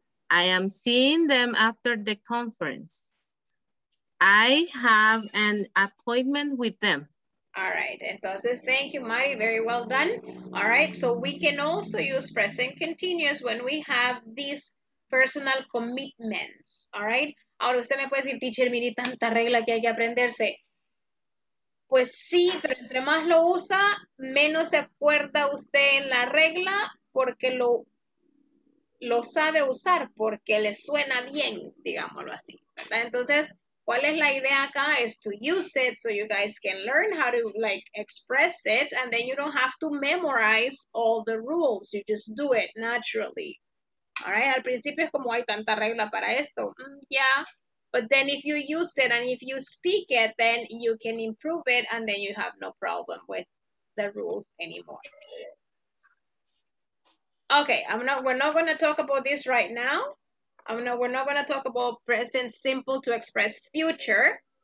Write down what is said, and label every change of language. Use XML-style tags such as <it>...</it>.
<en>I am seeing them after the conference. I have an appointment with them. All right,</en> <es>entonces,</es> <en>thank you, Mari, very well done. All right, so we can also use present continuous when we have these personal commitments, all right?</en> <es>Ahora usted me puede decir, teacher, mire tanta regla que hay que aprenderse. Pues sí, pero entre más lo usa, menos se acuerda usted en la regla porque lo sabe usar, porque le suena bien, digámoslo así, ¿verdad? Entonces, ¿cuál es la idea acá? Es</es> <en>to use it so you guys can learn how to, like, express it, and then you don't have to memorize all the rules. You just do it naturally. All right?</en> <es>Al principio es como, hay tanta regla para esto.</es> <en>Yeah. But then if you use it and if you speak it, then you can improve it, and then you have no problem with the rules anymore. Okay, we're not going to talk about this right now. We're not going to talk about present simple to express future.</en>